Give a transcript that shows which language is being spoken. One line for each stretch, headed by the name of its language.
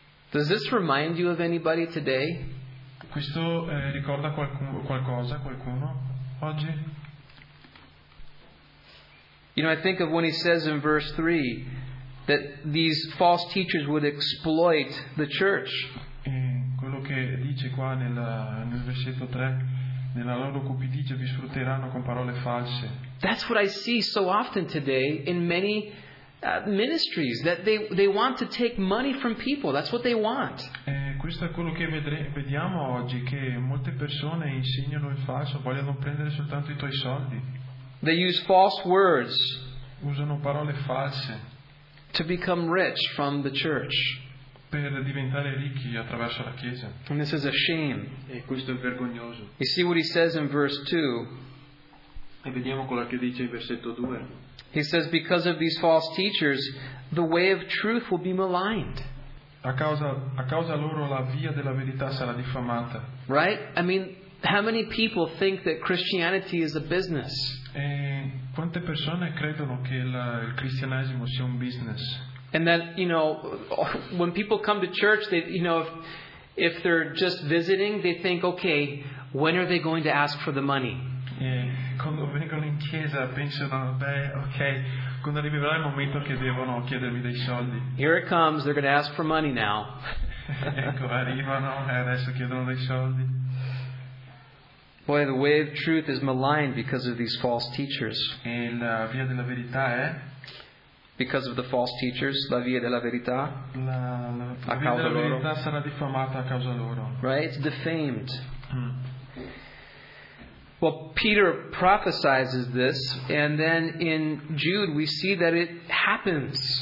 English: Does this remind you of anybody today?
Italian: Questo ricorda qualcosa oggi?
English: You know, I think of when he says in verse 3 that these false teachers would exploit the church.
Italian: Quello che dice qua nel versetto 3, nella loro cupidigia vi sfrutteranno con parole false.
English: That's what I see so often today in many ministries, that they want to take money from people. That's what they want.
Italian: Questo è quello che vediamo oggi, che molte persone insegnano il falso, vogliono prendere soltanto i tuoi soldi.
English: They use false words.
Italian: Usano parole false.
English: To become rich from the church.
Italian: per diventare ricchi attraverso la chiesa.
English: And this is a shame.
Italian: E questo è vergognoso.
English: You see what he says in verse 2.
Italian: E vediamo quello che dice in versetto 2.
English: He says, because of these false teachers, the way of truth will be maligned.
Italian: A causa loro la via della verità sarà diffamata.
English: Right? I mean, how many people think that Christianity is a business?
Italian: E quante persone credono che il cristianesimo sia un business?
English: And that, you know, when people come to church, they, you know, if they're just visiting, they think, okay, when are they going to ask for the money?
Italian: Quando vengono in chiesa pensano, beh, ok, quando arriverà il momento che devono chiedermi dei soldi.
English: Here it comes, they're going to ask for money now.
Italian: Ecco, arrivano e adesso chiedono dei soldi.
English: Boy, the way of truth is maligned because of these false teachers.
Italian: E la via della verità è?
English: Because of the false teachers,
Italian: la via della verità. La via della verità sarà diffamata a causa loro.
English: Right, it's defamed. Well, Peter prophesizes this, and then in Jude we see that it happens.